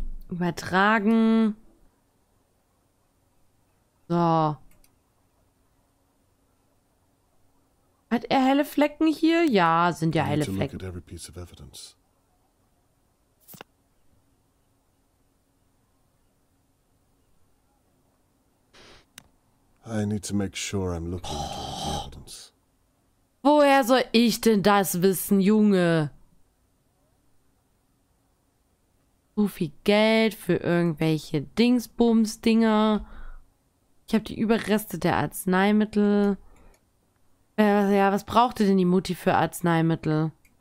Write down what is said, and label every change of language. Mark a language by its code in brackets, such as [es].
[de] Übertragen. So. Hat er helle Flecken hier? Ja, sind ja helle Flecken. [en] Every piece of evidence. I need to make sure I'm looking at all the evidence. [de] Woher soll ich denn das wissen, Junge? So viel Geld für irgendwelche Dingsbums-Dinger. Ich habe die Überreste der Arzneimittel. Ja, was brauchte denn die Mutti für Arzneimittel?